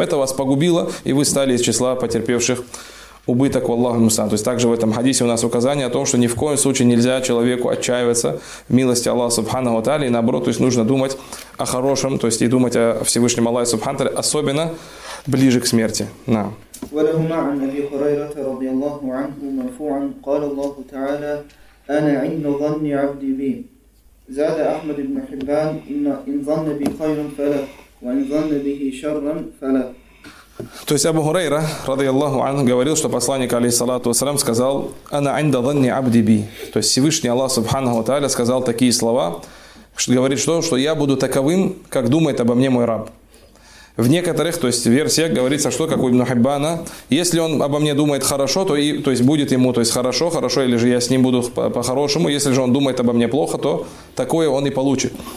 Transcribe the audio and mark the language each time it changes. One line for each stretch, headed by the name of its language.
Russian: Это вас погубило, и вы стали из числа потерпевших убыток в Аллаху Мусан. То есть также в этом хадисе у нас указание о том, что ни в коем случае нельзя человеку отчаиваться в милости Аллаха Субхану Тааля. И наоборот, то есть, нужно думать о хорошем, то есть, и думать о Всевышнем Аллахе Субхантаре, особенно ближе к смерти. Да.
Arabic: ولهما عن أبي هريرة رضي الله عنه مرفوعا قال الله تعالى أنا عند ظن عبدي بي زاد أحمد بن حبان إن ظن بي خيرا فلا وإن ظن به شرا فلا.
Russian: То есть Абу Хурайра, ради Аллаху ан, говорил, что посланник, алейхиссалату вассалям, сказал:
Arabic: «Ана инда занни абди би».
Russian: То есть Всевышний Аллах, субханаху ва тааля, сказал такие слова, что говорит, что я буду таковым, как думает обо мне мой раб. В некоторых, то есть, версиях говорится, что, как у Ибн Хаббана, если он обо мне думает хорошо, то есть, будет ему, то есть, хорошо, или же я с ним буду по-хорошему, если же он думает обо мне плохо, то такое он и получит.